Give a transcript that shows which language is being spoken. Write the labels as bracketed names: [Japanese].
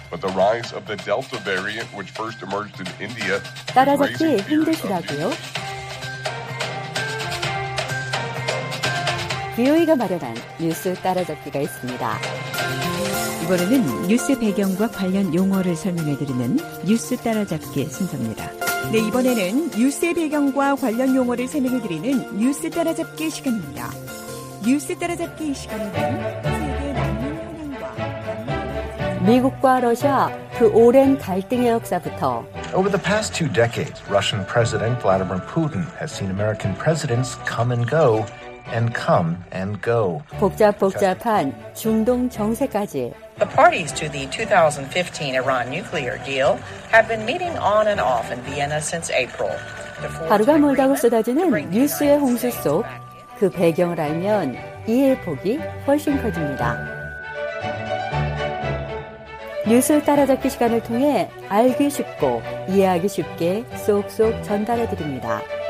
[English] But the rise of the Delta variant, which first emerged in India, [Korean] 따라잡기 힘드시다고요? 비오이가 마련한 뉴스 따라잡기가 있습니다. 이번에는 뉴스 배경과 관련 용어를 설명해드리는 뉴스 따라잡기 순서입니다. 네, 이번에는 뉴스의 배경과 관련 용어를 설명해드리는 뉴스 따라잡기 시간입니다. 뉴스 따라잡기 시간은 미국과 러시아 그 오랜 갈등의 역사부터 [English] Over the past two decades, Russian President Vladimir Putin has seen American presidents come and go and come and go. [Korean] 복잡복잡한 중동 정세까지 [English] The parties to the 2015 Iran nuclear deal have been meeting on and off in Vienna since April. [Korean] 하루가 멀다고 쏟아지는 뉴스의 홍수 속 그 배경을 알면 이해 폭이 훨씬 커집니다. 뉴스 따라잡기 시간을 통해 알기 쉽고 이해하기 쉽게 쏙쏙 전달해 드립니다.